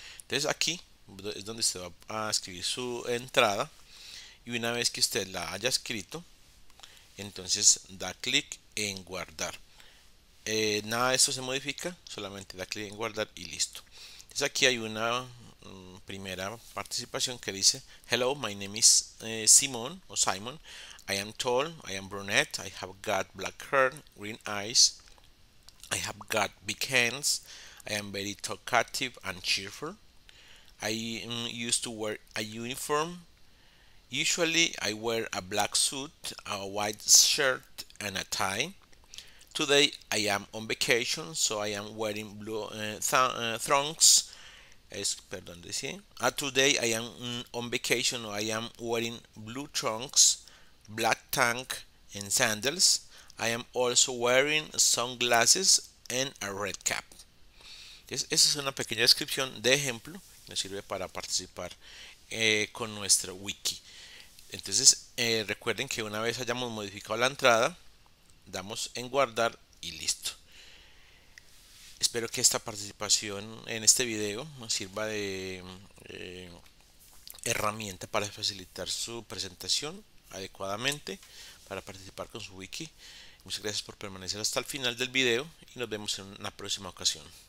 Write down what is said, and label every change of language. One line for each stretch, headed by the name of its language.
Spanish: Entonces aquí es donde se va a escribir su entrada, y una vez que usted la haya escrito, entonces da clic en guardar. Nada de esto se modifica, solamente da clic en guardar y listo. Entonces aquí hay una primera participación que dice:
English: Hello, my name is Simon. I am tall, I am brunette, I have got black hair, green eyes, I have got big hands, I am very talkative and cheerful. I used to wear a uniform. Usually I wear a black suit, a white shirt and a tie. Today I am on vacation, so I am wearing blue thongs. Today I am on vacation, so I am wearing blue trunks, black tank, and sandals. I am also wearing sunglasses and a red cap.
Spanish: Esa es una pequeña descripción de ejemplo que nos sirve para participar con nuestro wiki. Entonces, recuerden que una vez hayamos modificado la entrada, damos en guardar y listo. Espero que esta participación en este video sirva de herramienta para facilitar su presentación adecuadamente para participar con su wiki. Muchas gracias por permanecer hasta el final del video y nos vemos en una próxima ocasión.